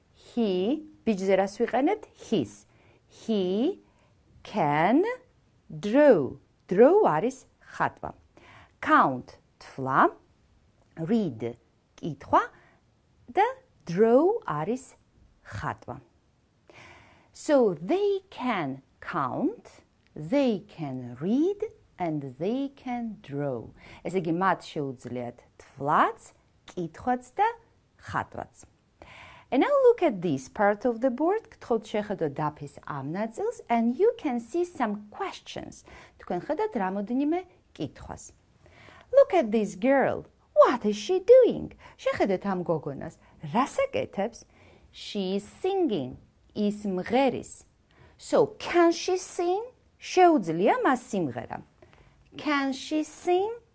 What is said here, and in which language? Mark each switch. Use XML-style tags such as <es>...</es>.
<en>He</en> <ka>ბიჭზე რას ვიყენებთ?</ka> <en>His. He can draw.</en> <ka>Draw არის ხატვა. Count თვლა, read კითხვა და draw არის ხატვა.</ka> <en>So they can count, they can read and they can draw.</en> <ka>ესე იგი მათ შეუძლიათ თვლაც, კითხვაც და ხატვაც.</ka> <en>And now look at this part of the board.</en> <ka>ქთხოთ შეხედოთ დაფის ამ ნაწილს</ka> <en>and you can see some questions.</en> <ka>თქვენ ხედავთ რამოდენიმე კითხვას.</ka> <en>Look at this girl. What is she doing?</en> <ka>შეხედეთ ამ გოგონას. რას აკეთებს?</ka> <en>She is singing.</en> <ka>ის მღერის.</ka> <en>So can she sing?</en> <ka>შეუძლია მას სიმღერა.</ka> <en>Can she sing?</en>